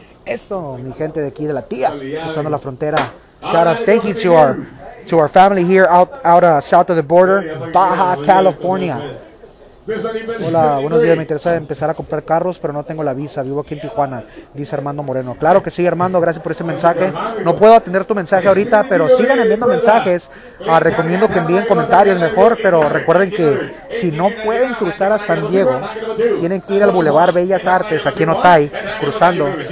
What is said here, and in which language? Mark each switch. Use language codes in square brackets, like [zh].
[es] Eso, mi gente de aquí de la tía, cruzando la frontera. [en] Shout out, thank you to our family here out south of the border, Baja California. [es] Hola, buenos días, me interesa empezar a comprar carros, pero no tengo la visa, vivo aquí en Tijuana, dice Armando Moreno. Claro que sí, Armando, gracias por ese mensaje. No puedo atender tu mensaje ahorita, pero sigan enviando mensajes. Recomiendo que envíen comentarios mejor, pero recuerden que si no pueden cruzar a San Diego, tienen que ir al Boulevard Bellas Artes, aquí en Otay, cruzando.